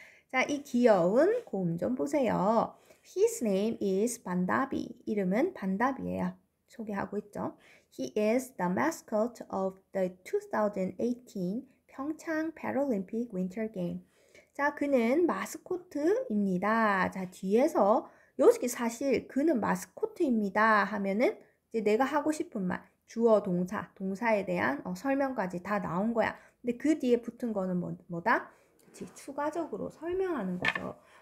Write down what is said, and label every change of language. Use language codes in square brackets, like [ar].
[ko] 자, 이 귀여운 곰좀 보세요. [en] His name is 반다비. [ko] 이름은 반다비예요. 소개하고 있죠. [en] He is the mascot of the 2018 평창 패럴림픽 윈터 게임. [ko] 자, 그는 마스코트입니다. 자, 뒤에서 여기 사실 그는 마스코트입니다 하면은 이제 내가 하고 싶은 말, 주어, 동사, 동사에 대한 설명까지 다 나온 거야. 근데 그 뒤에 붙은 거는 뭐다? 같이 추가적으로 설명하는 거죠.